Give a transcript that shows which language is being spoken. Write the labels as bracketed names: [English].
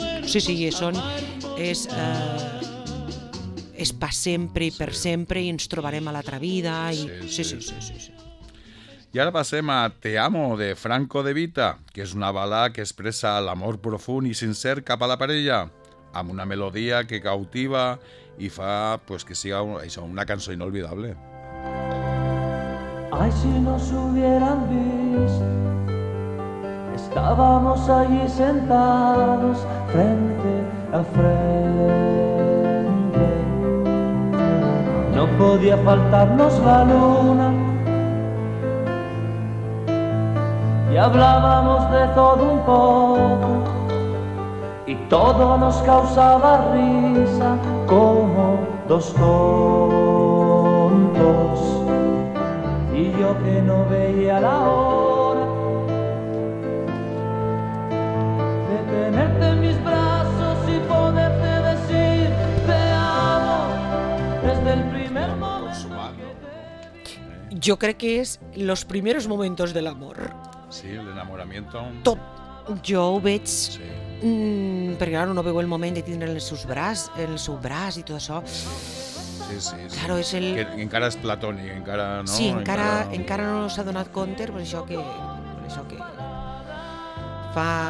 [Catalan] Sí, sí, són... És... és per sempre i per sempre i ens trobarem a l'altra vida. I... Sí, sí, sí, sí, sí, sí, sí. I ara passem a Te amo, de Franco De Vita, que és una balada que expressa l'amor profund i sincer cap a la parella, amb una melodia que cautiva i fa pues, que siga això, una cançó inolvidable. [Spanish] Ay, si nos hubieran visto, estábamos allí sentados frente a frente. No podía faltarnos la luna y hablábamos de todo un poco. Y todo nos causaba risa como dos tontos. Y yo que no veía la hora de tenerte en mis brazos y poderte decir te amo desde el primer momento que te vi. Yo creo que es los primeros momentos del amor. Sí, el enamoramiento. [Catalan] Top. Yo veig... Sí. Perquè ara no veu el moment de tindre el seu braç i tot això. Sí, sí, sí. Claro, és el... que encara és platònic, encara no... Sí, encara no s'ha donat compte, però això que... Això que... Fa...